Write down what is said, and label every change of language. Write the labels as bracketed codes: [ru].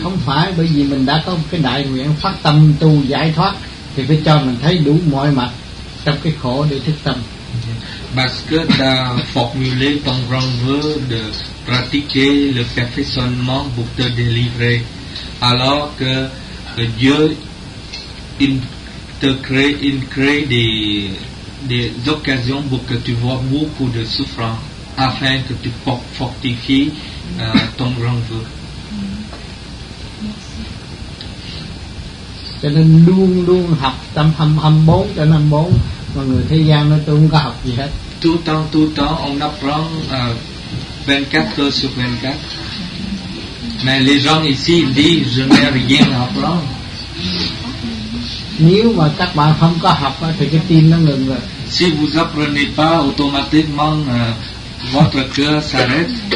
[vi] Không phải, bởi vì mình đã có một cái đại nguyện phát tâm tu giải thoát. Thì phải cho mình thấy đủ mọi mặt trong cái khổ để thức tâm. [fr] Parce que t'as formulé ton grand vœu de pratiquer le perfectionnement pour te délivrer. Alors que Dieu te crée des occasions pour que tu vois beaucoup de souffrance afin que tu fortifies ton grand vœu. [vi] Cho nên luôn luôn học tâm 24 cho 54 mà người thế gian nó tôi không có học gì hết. [fr] Tout temps on apprend 24 heures sur 24. Mais les gens ici disent je n'ai rien à apprendre. [vi] Nếu mà các bạn không có học thì cái tim nó ngừng rồi. [fr] Si vous apprenez pas automatiquement votre cœur s'arrête.